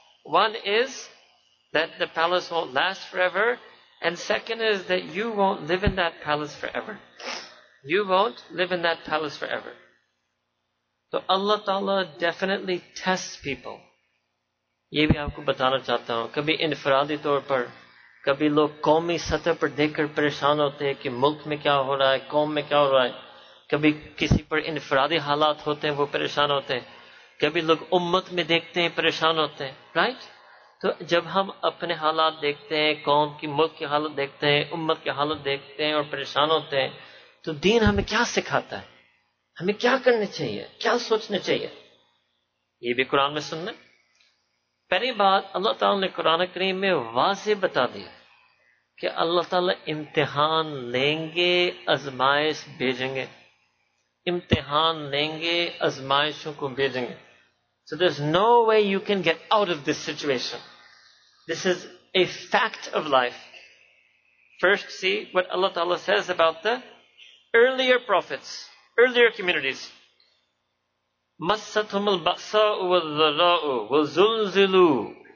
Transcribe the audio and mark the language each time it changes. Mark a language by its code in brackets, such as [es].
[en] One is that the palace won't last forever, and second is that you won't live in that palace forever. You won't live in that palace forever. So Allah Ta'ala definitely tests people. [ur] یہ بھی آپ کو بتانا چاہتا ہوں, کبھی انفرادی طور پر, کبھی لوگ قومی سطح پر دیکھ کر پریشان ہوتے ہیں کہ ملک میں کیا ہو رہا ہے, قوم میں کیا ہو رہا ہے, کبھی کسی پر انفرادی حالات ہوتے ہیں وہ پریشان ہوتے ہیں, کبھی لوگ امت میں دیکھتے ہیں پریشان ہوتے ہیں, رائٹ. تو جب ہم اپنے حالات دیکھتے ہیں, قوم کی, ملک کی حالت دیکھتے ہیں, امت کی حالت دیکھتے ہیں اور پریشان ہوتے ہیں, تو دین ہمیں کیا سکھاتا ہے, ہمیں کیا کرنا چاہیے, کیا سوچنا چاہیے, یہ بھی قرآن میں سننا. پہلی بات, اللہ تعالیٰ نے قرآن کریم میں واضح بتا دیا کہ اللہ تعالیٰ امتحان لیں گے, ازمائش بھیجیں گے, امتحان لیں گے, ازمائشوں کو بھیجیں گے. [en] So there's no way you can get out of this situation. This is a fact of life. First, see what Allah Ta'ala says about the earlier prophets, earlier communities. [ar] مَسَّتْهُمُ الْبَأْسَاءُ وَالضَّرَّاءُ وَزُلْزِلُوا.